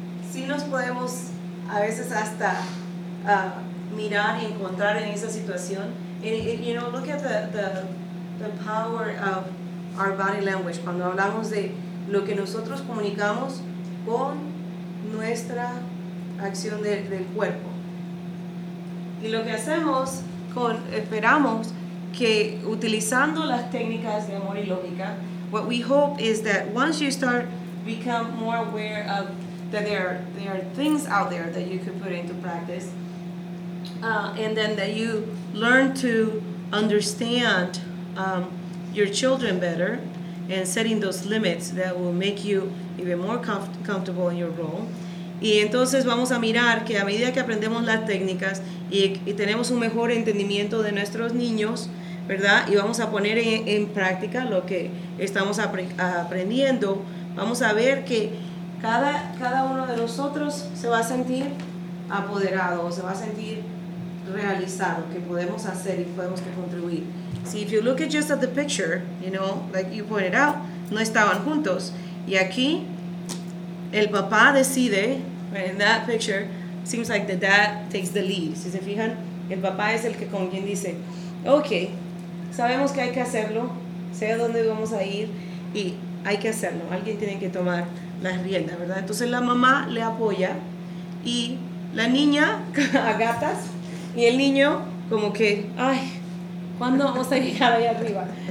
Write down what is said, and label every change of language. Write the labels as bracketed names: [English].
[Spanish] Si nos podemos a veces hasta mirar y encontrar en esa situación. [English] And, you know, look at the power of our body language. [Spanish] Cuando hablamos de lo que nosotros comunicamos con nuestra acción del cuerpo. Y lo que hacemos, esperamos que utilizando las técnicas de amor y lógica, [English] what we hope is that once you start become more aware of that there are things out there that you could put into practice, and then that you learn to understand your children better and setting those limits that will make you even more comfortable in your role. [Spanish] Y entonces vamos a mirar que a medida que aprendemos las técnicas y tenemos un mejor entendimiento de nuestros niños, ¿verdad? Y vamos a poner en práctica lo que estamos aprendiendo. Vamos a ver que cada uno de nosotros se va a sentir apoderado, se va a sentir realizado, que podemos hacer y podemos contribuir. [English] See, if you look at just at the picture, you know, like you pointed out, [Spanish] no estaban juntos. Y aquí, el papá decide, [English] right, in that picture, seems like the dad takes the lead. [Spanish] Si se fijan, el papá es el que con quien dice, okay, sabemos que hay que hacerlo, sé a dónde vamos a ir, y hay que hacerlo. Alguien tiene que tomar las riendas, ¿verdad? Entonces la mamá le apoya, y la niña, a gatas, y el niño, como que, ay, ¿cuándo vamos a llegar ahí arriba?